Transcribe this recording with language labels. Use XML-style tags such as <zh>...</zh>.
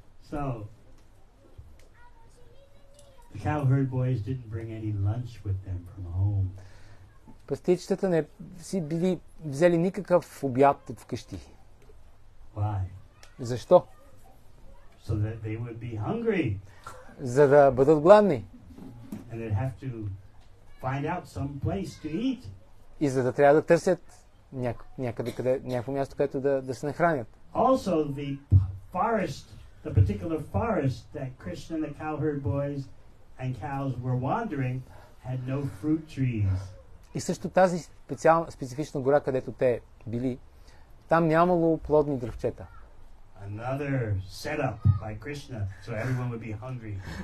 <en>So, the cowherd boys didn't bring any lunch with them from home.</en> <bg>Пастичетата не си били взели никакъв обяд от вкъщи.</bg> <en>Why?</en> <bg>Защо?</bg> <en>So that they would be hungry.</en> <bg>За да бъдат гладни.</bg> <en>And they'd have to find out some place to eat.</en> <bg>И за да трябва да търсят някакво място, където да се нахранят.</bg> <en>Also the forest, the particular forest that Krishna and the cowherd boys and cows were wandering had no fruit trees.</en> <bg>И също тази специфична гора, където те били, там нямало плодни дръвчета.</bg> <en>Another setup by Krishna, so everyone would be hungry.</en>